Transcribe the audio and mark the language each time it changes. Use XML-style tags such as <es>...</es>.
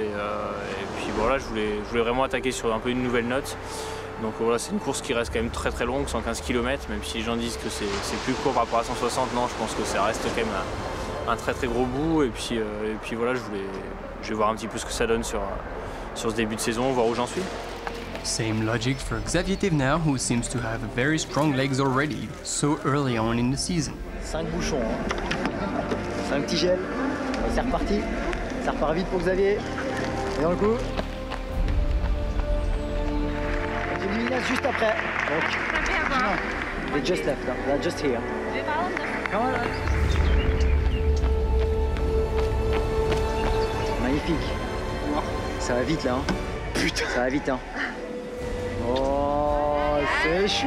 <fr>Et puis je voulais vraiment attaquer sur un peu une nouvelle note. Donc voilà, c'est une course qui reste quand même très très longue, 115 km, même si les gens disent que c'est plus court par rapport à 160, non, je pense que ça reste quand même un très très gros bout. Et puis je vais voir un petit peu ce que ça donne sur ce début de saison, voir où j'en suis.</fr> <en>Same logic for Xavier Thévenard, who seems to have very strong legs already, so early on in the season.</en> <fr>5 bouchons, hein. Un petit gel, c'est reparti, ça repart vite pour Xavier, et dans le coup. Juste après, donc,</fr> <en>they just left, they're just here. Come on.</en> <fr>Magnifique. Ça va vite là, hein. Putain. Ça va vite, hein. Oh, c'est chou.</fr>